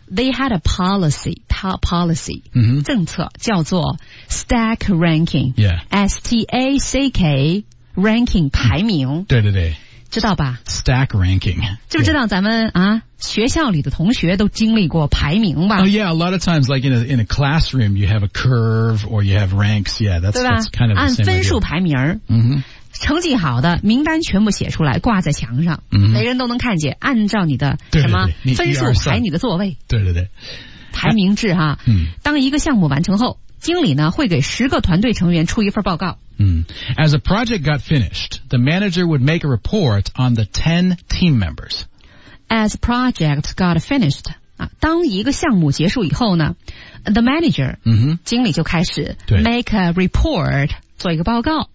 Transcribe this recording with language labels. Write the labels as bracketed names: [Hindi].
[English] They had a policy top policy、嗯、 [Chinese] 政策叫做 stack ranking、 [English] yeah. [Chinese] S-T-A-C-K ranking 排名、嗯、对对对知道吧 [English] Stack ranking [Chinese] 就知道咱们、yeah. 啊学校里的同学都经历过排名吧 [English] Oh yeah, a lot of times like in a classroom you have a curve or you have ranks Yeah, that's kind of the same [Chinese] 按分数排名、 mm-hmm. 成绩好的名单全部写出来挂在墙上、 mm-hmm. 每人都能看见按照你的什么分数排你的座位对对对排名制哈、啊嗯、当一个项目完成后经理呢会给十个团队成员出一份报告、嗯、 [English] As a project got finished the manager would make a report on the 10 team members As a project got finished、 [Chinese] 啊、当一个项目结束以后呢 [English] The manager、嗯、 [Chinese] 经理就开始 [English] make a report [Chinese] 做一个报告、